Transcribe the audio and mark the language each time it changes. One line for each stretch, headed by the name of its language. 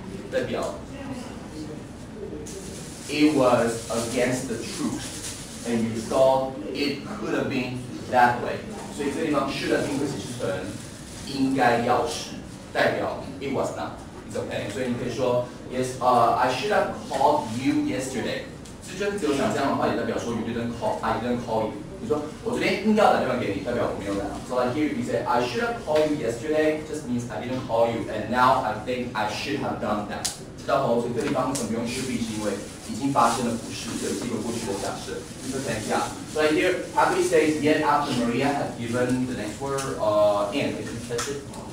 Chinese: 代表
English: it was against the truth, and you thought it could have been that way.
Chinese: 所以这地方
English: should have been
Chinese: 会写成应该要是，代表
English: it was not. It's okay.
Chinese: 所以你可以说
English: yes, I should have called you yesterday.
Chinese: 就是只有想这样的话，也代表说
English: you didn't call, I didn't call you.
Chinese: 你说我昨天应该要打电话给你，代表我没有打。
English: So like here you say I should have called you yesterday, just means I didn't call you, and now I think I should have done that.
Chinese: 知道吗？所以这地方为什么用
English: should be
Chinese: 是因为已经发生了不是，这是一个过去的假设。就是等一下。
English: So like here, Happy says yet after Maria had given the next word, and can you catch it?